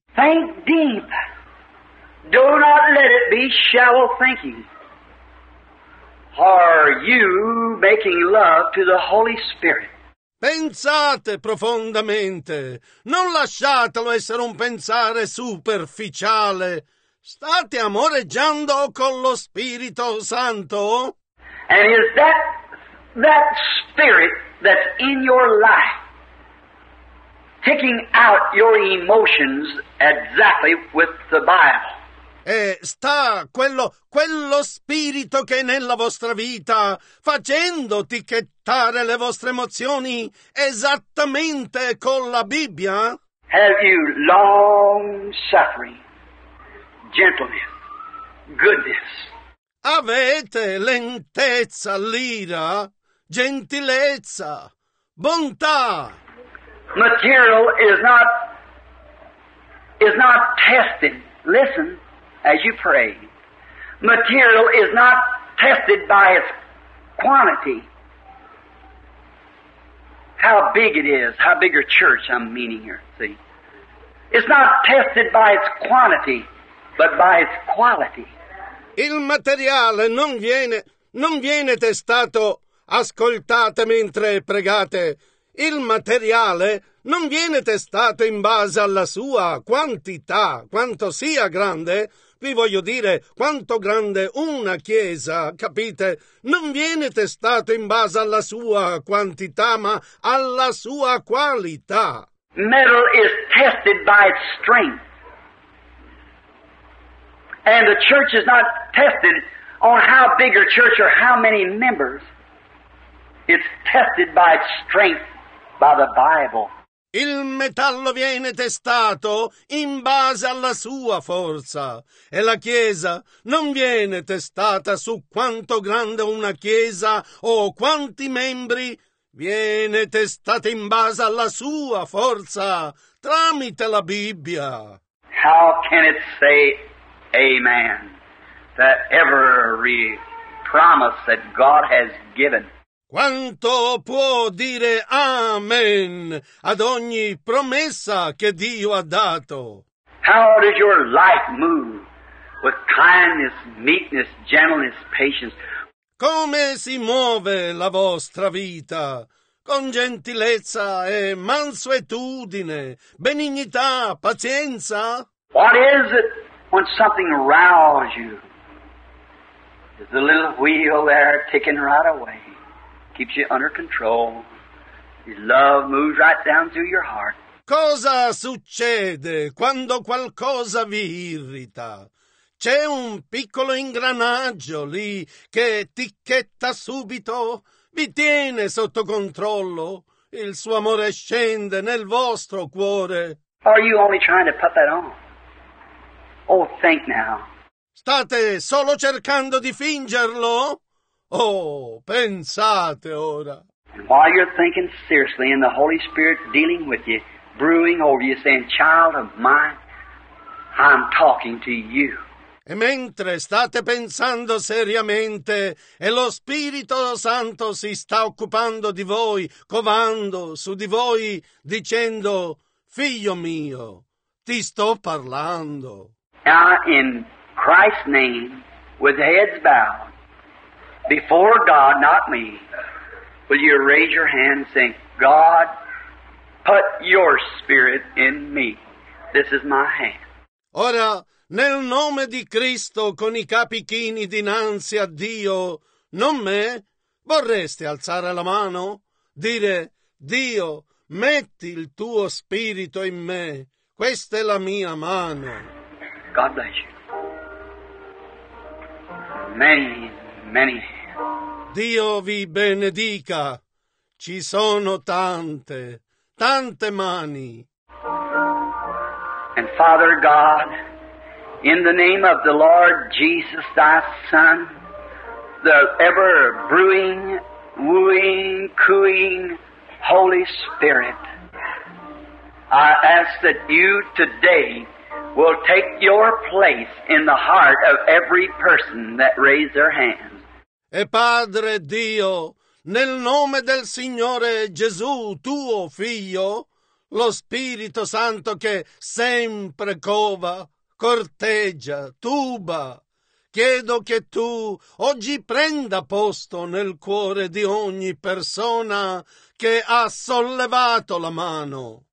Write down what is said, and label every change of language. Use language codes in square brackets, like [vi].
[en] Think deep. Do not let it be shallow thinking. Are you making love to the Holy Spirit? [it] Pensate profondamente. Non lasciatelo essere un pensare superficiale. State amoreggiando con lo Spirito Santo? [en] And is that Spirit that's in your life taking out your emotions exactly with the Bible? [it] E sta quello spirito che è nella vostra vita facendo ticchettare le vostre emozioni esattamente con la Bibbia? [en] Have you long suffering, gentleness, goodness? [it] Avete lentezza, l'ira, gentilezza, bontà? [en] Material is not tested. Listen. As you pray, material is not tested by its quantity. How big it is, how big a church I'm meaning here, see. It's not tested by its quantity, but by its quality. [it] Il materiale non viene testato, ascoltate mentre pregate. Il materiale non viene testato in base alla sua quantità, quanto sia grande. Vi voglio dire, quanto grande una chiesa, capite? Non viene testato in base alla sua quantità, ma alla sua qualità. [en] Metal is tested by its strength. And the church is not tested on how big a church or how many members. It's tested by its strength, by the Bible. [it] Il metallo viene testato in base alla sua forza, e la Chiesa non viene testata su quanto grande una Chiesa o quanti membri, viene testata in base alla sua forza, tramite la Bibbia. [en] How can it say amen to every promise that God has given? [it] Quanto può dire amen ad ogni promessa che Dio ha dato? [en] How does your life move with kindness, meekness, gentleness, patience? [it] Come si muove la vostra vita? Con gentilezza e mansuetudine, benignità, pazienza? [en] What is it when something rouses you? There's a little wheel there ticking right away. Keeps you under control. His love moves right down through your heart. [it] Cosa succede quando qualcosa vi irrita? C'è un piccolo ingranaggio lì che ticchetta subito, vi tiene sotto controllo. Il suo amore scende nel vostro cuore. [en] Are you only trying to put that on? Oh, think now. [it] State solo cercando di fingerlo? Oh, pensate ora. [en] And while you're thinking seriously and the Holy Spirit dealing with you, brewing over you, saying, child of mine, I'm talking to you. [it] E mentre state pensando seriamente e lo Spirito Santo si sta occupando di voi, covando su di voi, dicendo, figlio mio, ti sto parlando. [en] Now in Christ's name, with heads bowed, before God, not me, will you raise your hand and say, God, put your spirit in me. This is my hand. [it] Ora, nel nome di Cristo, con i capi chini dinanzi a Dio, non me, vorreste alzare la mano? Dire, Dio, metti il tuo spirito in me. Questa è la mia mano. [en] God bless you. Many, many. [it] Dio vi benedica. Ci sono tante, tante mani. [en] And Father God, in the name of the Lord Jesus, thy Son, the ever brewing, wooing, cooing Holy Spirit, I ask that you today will take your place in the heart of every person that raised their hand. [it] E Padre Dio, nel nome del Signore Gesù, tuo Figlio, lo Spirito Santo che sempre cova, corteggia, tuba, chiedo che tu oggi prenda posto nel cuore di ogni persona che ha sollevato la mano.